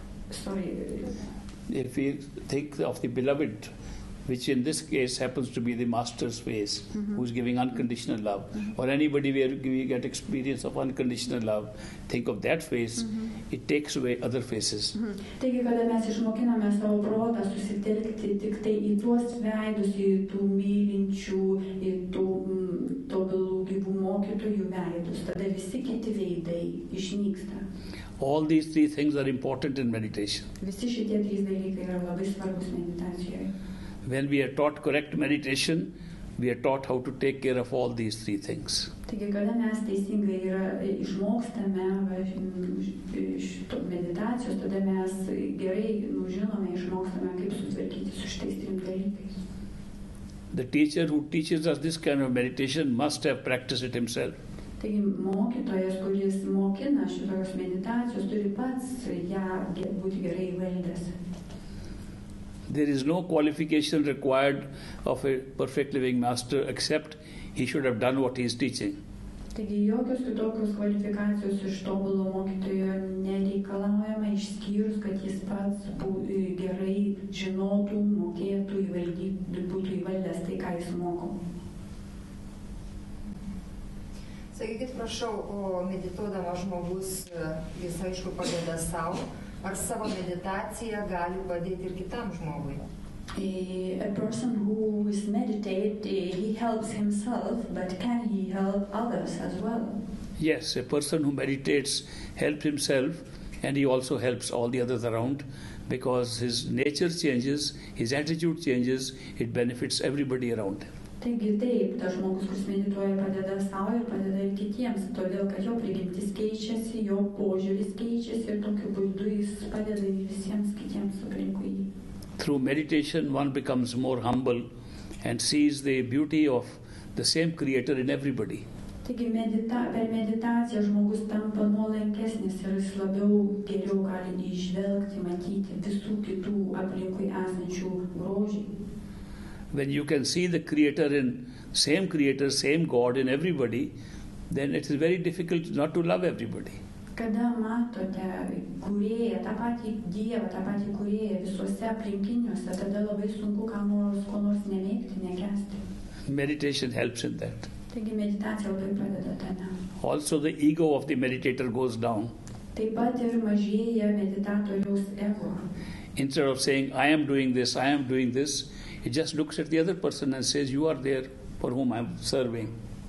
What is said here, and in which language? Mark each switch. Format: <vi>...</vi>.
<en>if we think of the beloved, which in this case happens to be the master's face, mm-hmm. who is giving unconditional love, mm-hmm. or anybody where we get experience of unconditional love, think of that face, mm-hmm. it takes away other faces. Mm-hmm.</en> <lt>Taigi, kada mes išmokiname savo protą susitelkti tik tai į tuos veidus, į tų mylinčių, į tų tobulų gyvų mokytojų veidus, tada visi kiti veidai išnyksta.</lt> <en>All these three things are important in meditation.</en> <lt>Visi šitie trys dalykai yra labai svarbus meditacijoje.</lt> <en>When we are taught correct meditation, we are taught how to take care of all these three things.</en> <lt>Taigi, kada mes teisingai yra išmokstame meditacijos, tada mes gerai žinome, išmokstame, kaip sutvarkyti su šitais trim dalykais.</lt> <en>The teacher who teaches us this kind of meditation must have practiced it himself.</en> <lt>Taigi mokytojas, kuris mokina šitos meditacijos, turi pats ją būti gerai įvaldęs.</lt> <en>There is no qualification required of a perfect living master except he should have done what he is teaching.</en> <lt>Taigi jokios kitokios kvalifikacijos iš tobulo mokytojo nereikalaujama, išskyrus, kad jis pats gerai žinotų, mokėtų, būtų įvaldęs tai, ką jis moko. Sakykit, prašau, o medituodama žmogus, jis aišku padeda savo, ar savo meditacija gali padėti ir kitam žmogui?</lt> <en>A person who is meditating, he helps himself, but can he help others as well? Yes, a person who meditates helps himself and he also helps all the others around because his nature changes, his attitude changes, it benefits everybody around him.</en> <lt>Taigi taip, tas žmogus, kuris medituoja, padeda savo ir padeda ir kitiems, todėl, kad jo prigimtis keičiasi, jo požiūris keičiasi ir tokiu būdu jis padeda visiems kitiems aplinkui.</lt> <en>Through meditation one becomes more humble and sees the beauty of the same creator in everybody.</en> <lt>Taigi per meditaciją žmogus tampa nuolankesnis ir jis labiau geriau gali išvelgti, matyti visų kitų aplinkui esančių grožį.</lt> <en>When you can see the creator in same creator, same God in everybody, then it is very difficult not to love everybody.</en> <lt>Kada matote kūrėją, tą patį Dievą, tą patį kūrėją visuose aplinkiniuose, tada labai sunku ką nors neveikti, nekęsti.</lt> <en>Meditation helps in that.</en> <lt>Taigi meditacija labai padeda tame.</lt> <en>Also the ego of the meditator goes down.</en> <lt>Taip pat ir mažėja meditatoriaus ego.</lt> <en>Instead of saying, I am doing this, he just looks at the other person and says, you are there for whom I am serving.</en>